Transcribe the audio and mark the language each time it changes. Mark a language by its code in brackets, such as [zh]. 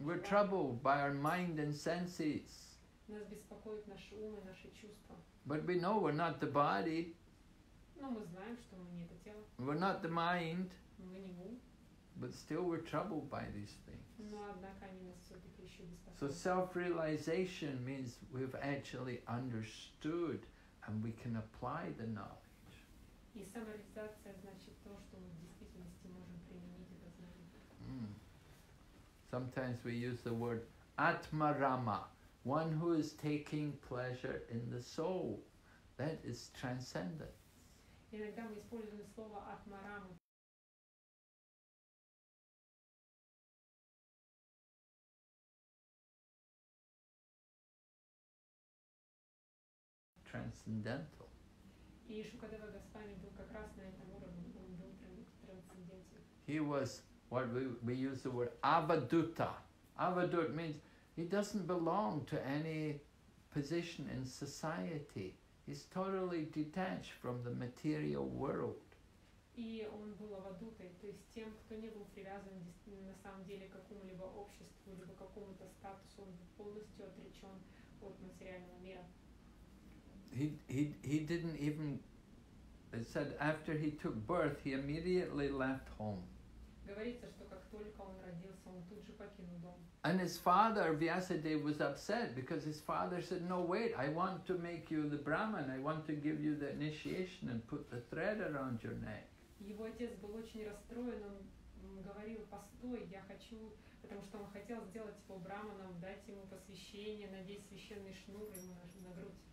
[en] We're troubled by our mind and senses. [ru] Нас беспокоит наш ум и наши чувства. [en] But we know we're not the body. [ru] Но мы знаем, что мы не это тело. [en] We're not the mind. [ru] Мы не ум. [en] But still we're troubled by these things. [ru] Но однако они нас все-таки еще беспокоят. [en] So self-realization means we've actually understood and we can apply the knowledge. [ru] И самореализация значит то, что мы в действительности можем применить это знание. Mm. [en] Sometimes we use the word atmarama, one who is taking pleasure in the soul. That is transcendence. [ru] Иногда мы используем слово атмарама. [en] Transcendental. [ru] И Шукадева Госвами был как раз на этом уровне, он был трансцендентен. [en] He was what we use the word avaduta. Avadut means he doesn't belong to any position in society. He's totally detached from the material world. [ru] И он был авадутой, то есть тем, кто не был привязан на самом деле к какому-либо обществу либо какому-то статусу, он был полностью отречен от материального мира. [en] He didn't even, it said after he took birth, he immediately left home. [ru] Говорится, что как только он родился, он тут же покинул дом. [en] And his father, Vyasadeva, was upset because his father said, no, wait, I want to make you the Brahman, I want to give you the initiation and put the thread around your neck. [ru] Его отец был очень расстроен, он говорил, постой, я хочу, потому что он хотел сделать его Брахманом, дать ему посвящение, надеть священный шнур ему на грудь.